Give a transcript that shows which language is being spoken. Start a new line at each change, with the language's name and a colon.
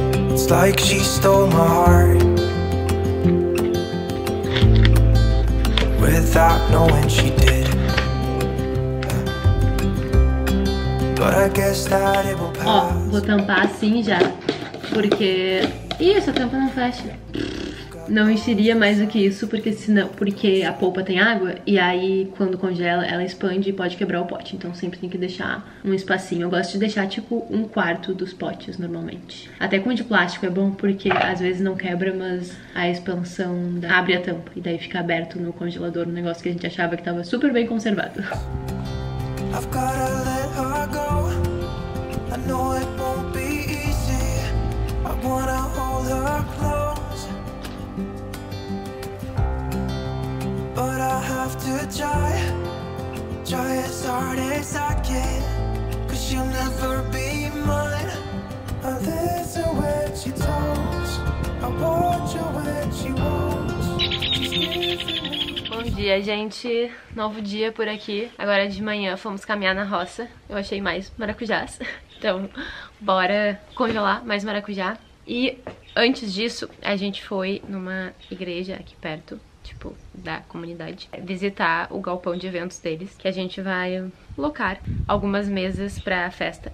English: It's like she stole my heart without knowing she did. But I guess that it will pass.
Portuguese: Ó, vou tampar assim já, porque. Ih, essa tampa não fecha. Não encheria mais do que isso, porque senão, porque a polpa tem água e aí quando congela ela expande e pode quebrar o pote. Então sempre tem que deixar um espacinho. Eu gosto de deixar tipo um quarto dos potes normalmente. Até com de plástico é bom porque às vezes não quebra, mas a expansão da... abre a tampa e daí fica aberto no congelador um negócio que a gente achava que estava super bem conservado.
English: I've gotta let her go. I know it won't be easy. I wanna hold her close. But I have to try, try as hard as I can. Cause she'll never be mine. I listen when she talks, I watch her when she walks.
Portuguese: Bom dia, gente. Novo dia por aqui. Agora de manhã fomos caminhar na roça. Eu achei mais maracujás. Então, bora congelar mais maracujá. E antes disso, a gente foi numa igreja aqui perto, tipo, da comunidade, visitar o galpão de eventos deles, que a gente vai locar algumas mesas pra festa.